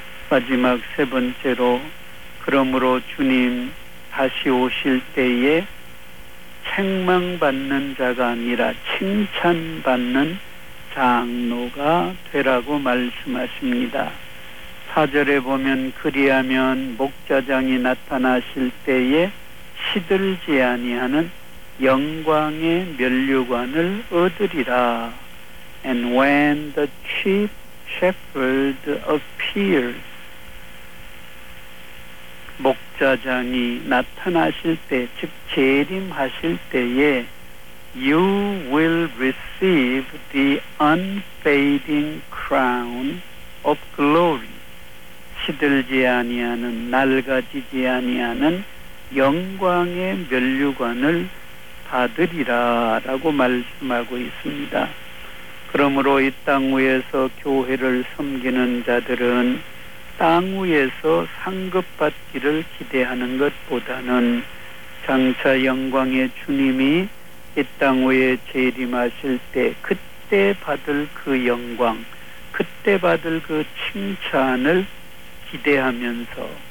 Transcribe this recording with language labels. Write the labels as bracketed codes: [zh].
[ko] 마지막 세 번째로, 그러므로 주님 다시 오실 때에 책망받는 자가 아니라 칭찬받는 장로가 되라고 말씀하십니다. 4절에 보면 그리하면 목자장이 나타나실 때에 시들지 아니하는 영광의 면류관을 얻으리라. [en] And when the chief shepherd appears, [ko] 목자장이 나타나실 때, 즉 재림하실 때에 [en] you will receive the unfading crown of glory. [ko] 시들지 아니하는, 낡아지지 아니하는 영광의 면류관을 받으리라 라고 말씀하고 있습니다. 그러므로 이 땅 위에서 교회를 섬기는 자들은 땅 위에서 상급받기를 기대하는 것보다는 장차 영광의 주님이 이 땅 위에 재림하실 때 그때 받을 그 영광, 그때 받을 그 칭찬을 기대하면서